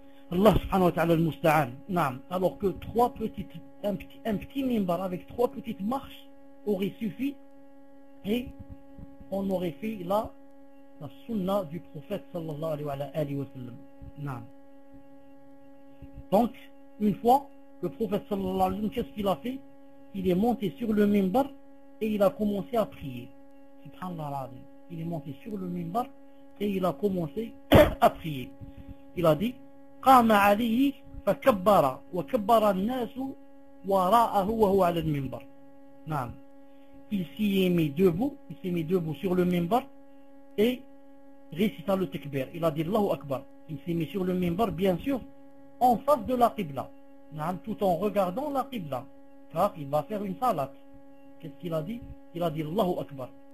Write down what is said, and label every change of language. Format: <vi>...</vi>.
<fr>Allah subhanahu wa ta'ala al-musta'an. Naam. Alors que un petit minbar avec 3 petites marches aurait suffi, et on aurait fait la sunna du prophète sallallahu alayhi wa sallam. Naam. Donc une fois le prophète sallallahu alayhi wa sallam, qu'est-ce qu'il a fait? Il est monté sur le minbar et il a commencé à prier. Subhanallah. Il est monté sur le minbar et il a commencé à prier.</fr> <ar>Il a dit: قام عليه فكبر وكبر الناس وراءه وهو على المنبر. نعم.</ar> <fr>Il s'est mis debout sur le minbar et récita le takbir. Il a dit Allahu Akbar. Il s'est mis sur le minbar, bien sûr, en face de la Qibla. نعم. Tout en regardant la Qibla. Car il va faire une salat. Qu'est-ce qu'il a dit? Il a dit Allahu Akbar.</fr>